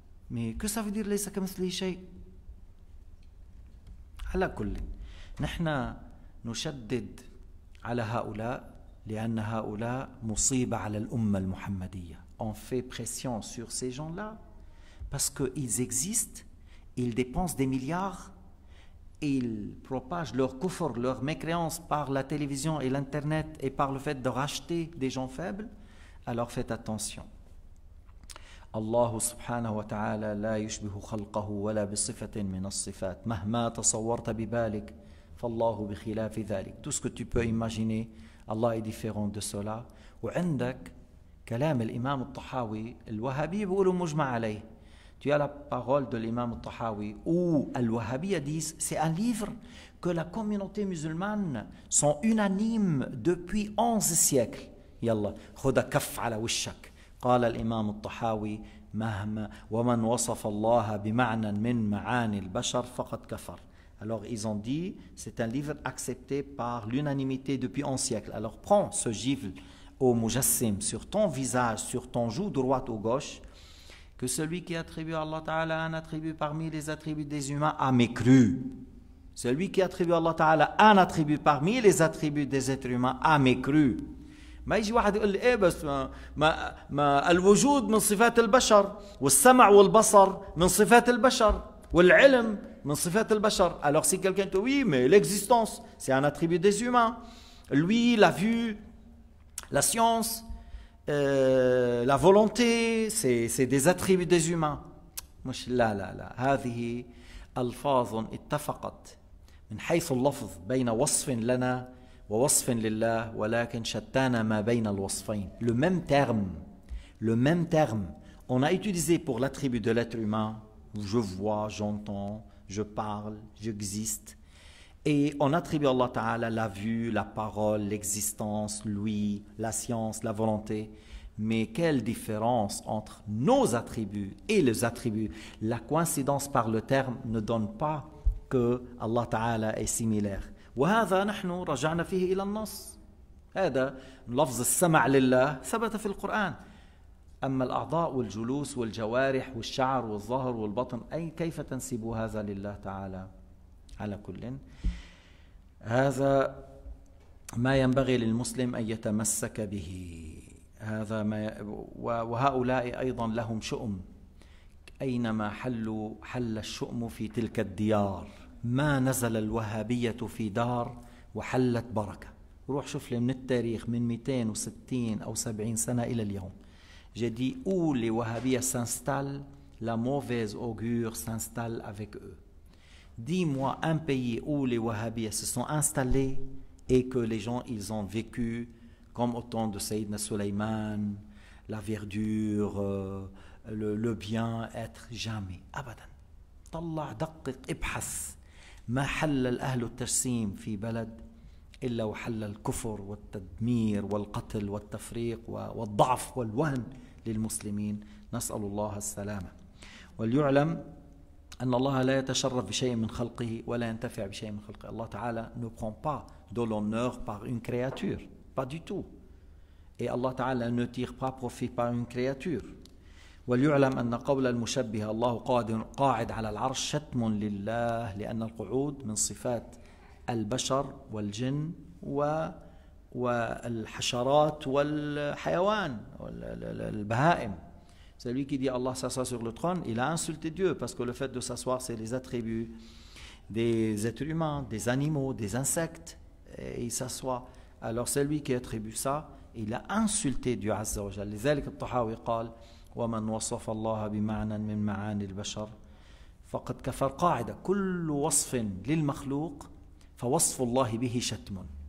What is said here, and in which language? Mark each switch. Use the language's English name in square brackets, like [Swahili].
[French] Mais que ça veut dire laisse comme cela [Arabic] شيء على كل نحن نشدد على هؤلاء لأن هؤلاء مصيبة على الأمة المحمدية. [French] On fait pression sur ces gens-là parce qu'ils existent, ils dépensent des milliards, ils propagent leur kufr, leur mécréance par la télévision et l'internet et par le fait de racheter des gens faibles. Alors faites attention. [Arabic] الله سبحانه وتعالى لا يشبه خلقه ولا بصفة من الصفات مهما تصورت ببالك فالله بخلاف ذلك. [French] Tout ce que tu peux imaginer, Allah est différent de cela. [Arabic] وعندك كلام الإمام الطحاوي الوهابي بيقولوا مجمع عليه. [French] Tu as la parole de l'imam al-Tahawi où al-Wahhabiyya dit c'est un livre que la communauté musulmane sont unanimes depuis 11 siècles. [Arabic] Yalla, khuda kaf ala wishak. قال الإمام الطحاوي مهما ومن وصف الله بمعنى من معاني البشر فقد كفر. [French] Alors ils ont dit c'est un livre accepté par l'unanimité depuis 11 siècles. Alors prends ce gifle au mujassim sur ton visage, sur ton joue droite ou gauche, que celui qui attribue à Allah Ta'ala un attribut parmi les attributs des humains a mécru. Celui qui attribue à Allah Ta'ala un attribut parmi les attributs des êtres humains a mécru. [Arabic] ما يجي واحد يقول لي ايه بس ما ما الوجود من صفات البشر والسمع والبصر من صفات البشر والعلم من صفات البشر. [French] Alors si quelqu'un te dit oui mais l'existence c'est un attribut des humains, lui la vue, la science, la volonté, c'est des attributs des humains. [Arabic] مش لا لا لا هذه الفاظ اتفقت من حيث اللفظ بين وصف لنا ووصف لله ولكن شتان ما بين الوصفين. [French] Le même terme, le même terme, on a utilisé pour l'attribut de l'être humain, je vois, j'entends, je parle, j'existe. Et on attribue à Allah Ta'ala la vue, la parole, l'existence, lui, la science, la volonté. Mais quelle différence entre nos attributs et les attributs. La coïncidence par le terme ne donne pas que Allah Ta'ala est similaire. [Arabic] وهذا نحن رجعنا فيه إلى النص. هذا لفظ السمع لله ثبت في القرآن. أما الأعضاء والجلوس والجوارح والشعر والظهر والبطن أي كيف تنسب هذا لله تعالى؟ على كل هذا ما ينبغي للمسلم أن يتمسك به. هذا ما وهؤلاء أيضا لهم شؤم أينما حلوا حل الشؤم في تلك الديار. ما نزل الوهابية في دار وحلت بركة. روح شوف لي من التاريخ من 260 أو 70 سنة إلى اليوم. [French] J'ai dit où les wahhabis s'installent, la mauvaise augure s'installe avec eux. Dis-moi un pays où les wahhabis se sont installés et que les gens ils ont vécu comme au temps de Sayyidina Sulayman, la verdure, le bien être jamais. [Arabic] Abadan. طلع دقق ابحث ما حل الأهل التجسيم في بلد إلا وحل الكفر والتدمير والقتل والتفريق والضعف والوهن للمسلمين. نسأل الله السلامة. وليعلم أن الله لا يتشرف بشيء من خلقه ولا ينتفع بشيء من خلقه. [French] الله تعالى ne prend pas de l'honneur par une créature, pas du tout. Et Allah تعالى ne tire pas profit par une créature. [Arabic] وليعلم أن قول المشبه الله قاعد على العرش شتم لله لأن القعود من صفات البشر والجن والحشرات والحيوان والبهائم. [French] Celui qui dit Allah s'assoit sur le trône, il a insulté Dieu parce que le fait de s'asseoir c'est les attributs des êtres humains, des animaux, des insectes. Et il s'assoit. Alors celui qui attribue ça, il a insulté Dieu Azza wa Jalla. [Arabic] لذلك الطحاوي قال ومن وصف الله بمعنى من معاني البشر فقد كفر. قاعدة كل وصف للمخلوق فوصف الله به شتم.